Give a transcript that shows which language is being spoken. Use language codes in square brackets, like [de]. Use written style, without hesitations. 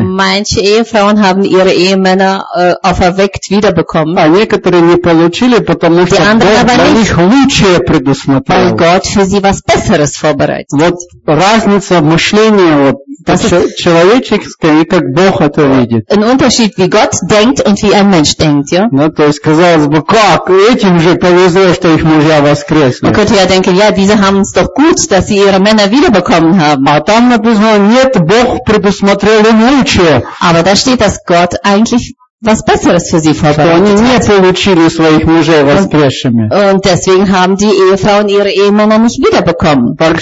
[de] Manche Ehefrauen haben ihre Ehemänner auferweckt wiederbekommen. [ru] А некоторые не получили, потому что Бог для них лучшее предусмотрел. [de] Weil Gott für sie was Besseres vorbereitet. [ru] Вот разница в мышлении вот, человеческое и как Бог это видит. [de] Ein Unterschied, wie Gott denkt und wie ein Mensch denkt, ja? [ru] Ну, то есть, казалось бы, как? Этим же повезло, что их мужья воскресли. [de] Man könnte ja denken, ja, diese haben es doch gut, dass sie ihre Männer wiederbekommen haben. [ru] А там написано, нет, Бог предусмотрел им лучшее. [de] Aber da steht, dass Gott eigentlich was Besseres für sie vorbereitet hat. Und deswegen haben die Ehefrauen ihre Ehemänner nicht wiederbekommen.